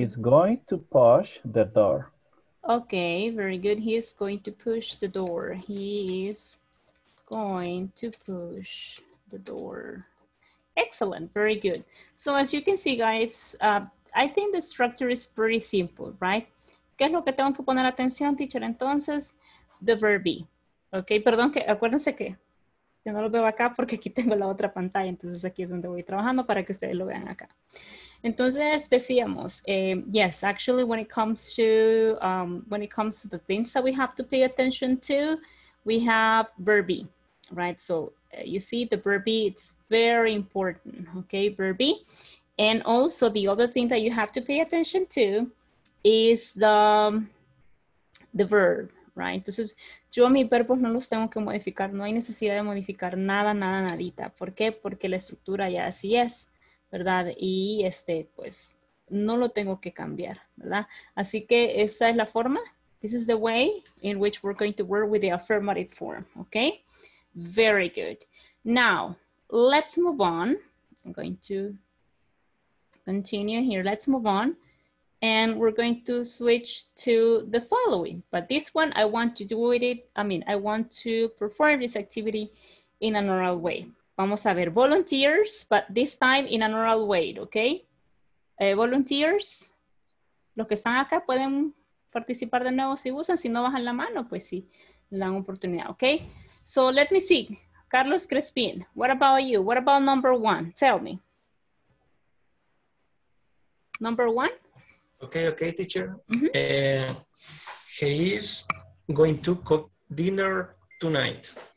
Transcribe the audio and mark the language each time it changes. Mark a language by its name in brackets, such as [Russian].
[English] He's going to push the door. Okay, very good. He is going to push the door. He is going to push the door. Excellent, very good. So as you can see, guys, I think the structure is pretty simple, right? [Spanish] ¿Qué es lo que tengo que poner atención, teacher? Entonces, the verb be. Okay, perdón, que acuérdense que yo no lo veo acá porque aquí tengo la otra pantalla, entonces aquí es donde voy trabajando para que ustedes lo vean acá. Entonces decíamos, [English] yes, actually when it comes to the things that we have to pay attention to, we have verb be, right? So you see the verb be, it's very important, okay, verb be. And also the other thing that you have to pay attention to is the verb, right? [Spanish] Entonces, yo mis verbos no los tengo que modificar, no hay necesidad de modificar nada, nada, nadita. ¿Por qué? Porque la estructura ya así es, ¿verdad? Y pues, no lo tengo que cambiar, ¿verdad? Así que esa es la forma. [English] This is the way in which we're going to work with the affirmative form, okay? Very good. Now, let's move on. I'm going to continue here. Let's move on. And we're going to switch to the following. But this one, I want to do with it. I mean, I want to perform this activity in an oral way. [Spanish] Vamos a ver, [English] volunteers, but this time in an oral way, okay? [Spanish] Volunteers, los que están acá pueden participar de nuevo si usan, si no bajan la mano, pues sí, dan oportunidad, okay? [English] So let me see, Carlos Crespin, what about you? What about number one? Tell me. Number one? Okay, teacher. Mm-hmm. He is going to cook dinner tonight.